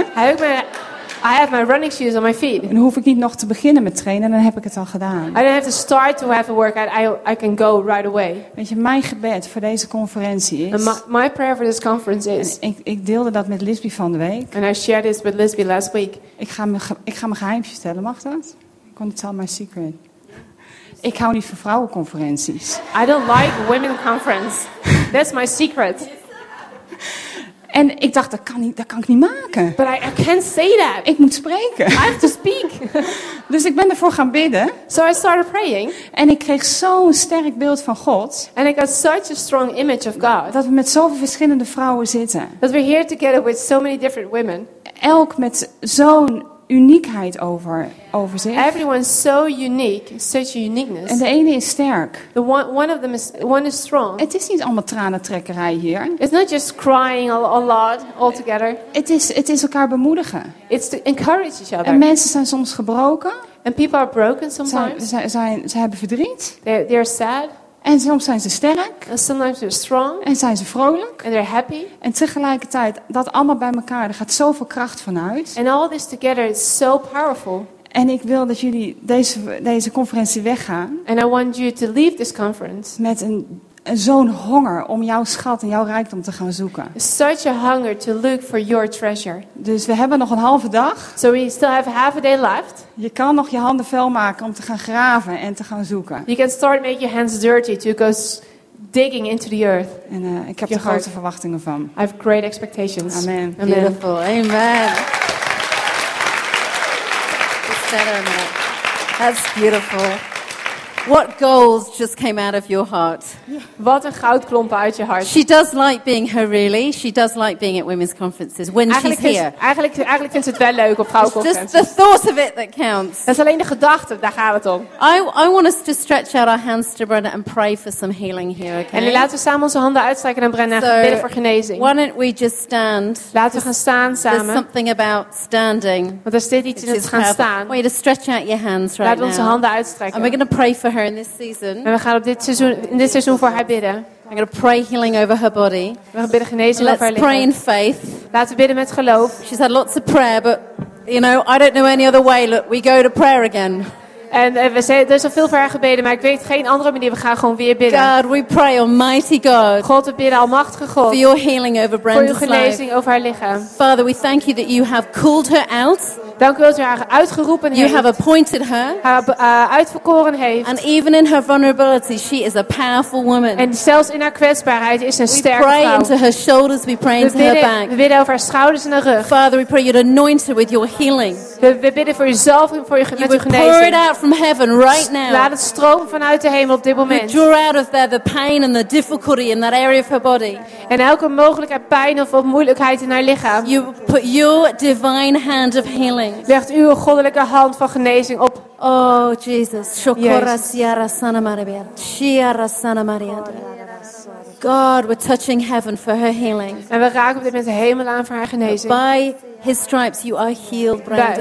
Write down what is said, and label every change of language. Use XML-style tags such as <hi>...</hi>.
<en>I have my running shoes on my feet.</en> <nl>En dan hoef ik niet nog te beginnen met trainen, dan heb ik het al gedaan.</nl> <en>I don't have to start to have a workout. I can go right away.</en> <nl>Weet je, mijn gebed voor deze conferentie is.</nl> <en>My prayer for this conference is.</en> <nl>Ik deelde dat met Lisby van de week.</nl> <en>And I shared this with Lisby last week.</en> <nl>Ik ga mijn geheimje vertellen, mag dat?</nl> <en>I'm going to tell my secret.</en> <nl>Ik hou niet van vrouwenconferenties.</nl> <en>I don't like women conference. That's my secret.</en> <nl>En ik dacht, dat kan ik niet maken.</nl> <en>But I can't say that.</en> <nl>Ik moet spreken.</nl> <en>I have to speak.</en> <nl>Dus ik ben ervoor gaan bidden.</nl> <en>So I started praying.</en> <nl>En ik kreeg zo'n sterk beeld van God.</nl> <en>And I got such a strong image of God.</en> <nl>Dat we met zoveel verschillende vrouwen zitten.</nl> <en>That we're here together with so many different women.</en> <nl>Elk met zo'n uniekheid over zich.</nl> <en>Everyone's so unique, such a uniqueness.</en> <nl>En de ene is sterk.</nl> <en>One is strong.</en> <nl>Het is niet allemaal tranentrekkerij hier.</nl> <en>It's not just crying a lot altogether.</en> <nl>Het is elkaar bemoedigen.</nl> <en>It's to encourage each other.</en> <nl>En mensen zijn soms gebroken.</nl> <en>And people are broken sometimes.</en> <nl>Ze hebben verdriet.</nl> <en>They're sad.</en> <nl>En soms zijn ze sterk.</nl> <en>And sometimes they're strong.</en> <nl>En zijn ze vrolijk.</nl> <en>And they're happy.</en> <nl>En tegelijkertijd, dat allemaal bij elkaar, er gaat zoveel kracht vanuit.</nl> <en>And all this together is so powerful.</en> <nl>En ik wil dat jullie deze conferentie weggaan.</nl> <en>And I want you to leave this conference.</en> <nl>Met een zo'n honger om jouw schat en jouw rijkdom te gaan zoeken.</nl> <en>Such a hunger to look for your treasure.</en> <nl>Dus we hebben nog een halve dag.</nl> <en>So we still have half a day left.</en> <nl>Je kan nog je handen vuil maken om te gaan graven en te gaan zoeken.</nl> <en>You can start making your hands dirty to go digging into the earth.</en> <nl>En ik heb er grote verwachtingen van.</nl> <en>I have great expectations. Amen. Beautiful. Amen. That's beautiful. What gold just came out of your heart?</en> <nl>Wat een goudklomp uit je hart.</nl> <en>She does like being here, really. She does like being at women's conferences when</en> <nl>eigenlijk</nl> <en>she's</en> <nl>is,</nl> <en>here.</en> <nl>Eigenlijk vindt ze het wel leuk op vrouwenconferenties.</nl> <en>It's just the thought of it that counts.</en> <nl>Het is alleen de gedachte, daar gaat het om.</nl> <en>I want us to stretch out our hands to Brenna and pray for some healing here, okay?</en> <nl>En nu laten we samen onze handen uitstrijken naar Brenna en bidden voor genezing.</nl> <en>Why don't we just stand?</en> <nl>Laten we gaan staan samen.</nl> <en>There's something about standing.</en> <nl>Want er staat iets in het gaan staan.</nl> <en>I want you to stretch out your hands right now.</en> <nl>Laten we onze handen uitstrekken.</nl> <en>And we're gonna pray for her in this season.</en> <nl>En we gaan in dit seizoen voor haar bidden.</nl> <en>I'm going to pray healing over her body.</en> <nl>We gaan bidden genezing over haar lichaam.</nl> <en>Let's pray in faith.</en> <nl>Laten we bidden met geloof.</nl> <en>She's had lots of prayer, but you know, I don't know any other way. Look, we go to prayer again.</en> <nl>En we zijn er zo veel voor haar gebeden, maar ik weet geen andere manier. We gaan gewoon weer bidden.</nl> <en>God, we pray, Almighty God.</en> <nl>God, we bidden, Almachtige God.</nl> <en>For your healing over Brenda's life.</en> <nl>Voor uw genezing over haar lichaam.</nl> <en>Father, we thank you that you have called her out.</en> <nl>Dank u wel dat u haar uitgeroepen heeft.</nl> <en>You have appointed her.</en> <nl>Haar uitverkoren heeft.</nl> <en>And even in her vulnerability, she is a powerful woman.</en> <nl>En zelfs in haar kwetsbaarheid is ze een sterke vrouw.</nl> <en>We pray into her shoulders, we pray into her back.</en> <nl>We bidden over haar schouders en haar rug.</nl> <en>Father, we pray you'd anoint her with your healing.</en> <nl>We bidden voor uzelf en voor met uw genezing.</nl> <en>Pour it out from heaven right now.</en> <nl>Laat het stromen vanuit de hemel op dit moment.</nl> <en>You draw out of there the pain and the difficulty in that area of her body.</en> <nl>En elke mogelijke pijn of moeilijkheid in haar lichaam.</nl> <en>You put your divine hand of healing.</en> <nl>Legt uw goddelijke hand van genezing op.</nl> <en>Oh Jesus. Shokora siara sana maria. Shiara sana maria. God, we're touching heaven for her healing.</en> <nl>En we raken op dit moment de hemel aan voor haar genezing.</nl> <en>By his stripes you are healed, Brenda.</en>